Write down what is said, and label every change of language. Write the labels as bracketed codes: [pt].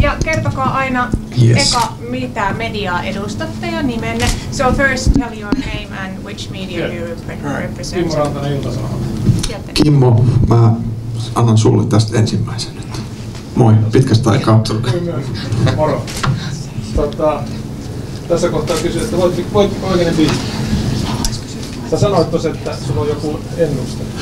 [fi] kertokaa aina eka, mitä mediaa edustatte ja nimenne. [en] So first tell your name and which media you represent. [fi] Kimmo Rantanen, Ilta-Sanomat. Kimmo, mä annan sulle tästä ensimmäisen nyt. Moi, pitkästä aikaa. Moro. Tässä kohtaa kysyä, että voitko oikein biisi? Sä sanoit tos, että sulla on joku ennuste.